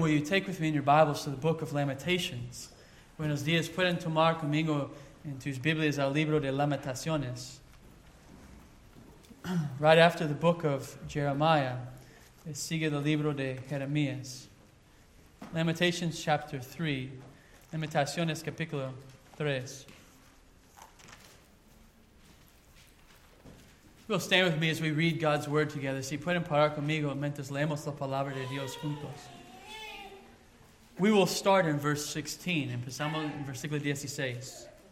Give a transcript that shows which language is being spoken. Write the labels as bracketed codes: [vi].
[en] Will you take with me in your Bibles to the book of Lamentations? [es] Buenos días. Pueden tomar conmigo en tus Biblias al libro de Lamentaciones. [en] Right after the book of Jeremiah, [es] sigue el libro de Jeremías. [en] Lamentations chapter 3. [es] Lamentaciones capítulo 3. [en] Will stand with me as we read God's word together. [es] Si pueden parar conmigo mientras leemos la palabra de Dios juntos. [en] We will start in verse 16. [es] Empezamos en versículo 16.